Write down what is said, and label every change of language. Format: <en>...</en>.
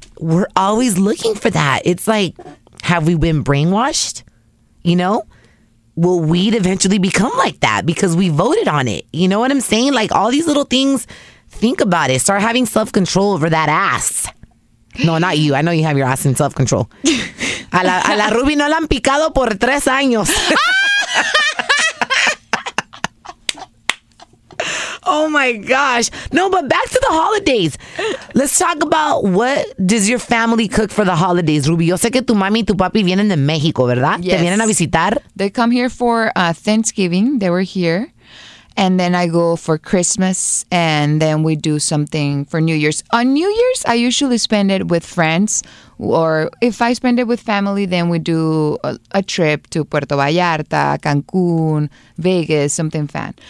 <en>We're always looking for that. It's like, have we been brainwashed? You know? Will weed eventually become like that because we voted on it? You know what I'm saying? Like, all these little things, think about it. Start having self-control over that ass. No, not you. I know you have your ass in self-control.</en> <es>A la Ruby no la han picado por 3 años.</es> <en>Oh my gosh. No, but back to the holidays. Let's talk about, what does your family cook for the holidays, Ruby?</en> <es>Yo sé que tu mami y tu papi vienen de México, ¿verdad?</es> <en>Yes.</en> <es>Te vienen a visitar.</es> <en>They come here for Thanksgiving. They were here. And then I go for Christmas, and then we do something for New Year's. On New Year's, I usually spend it with friends, or if I spend it with family, then we do a trip to Puerto Vallarta, Cancun, Vegas, something fun.</en>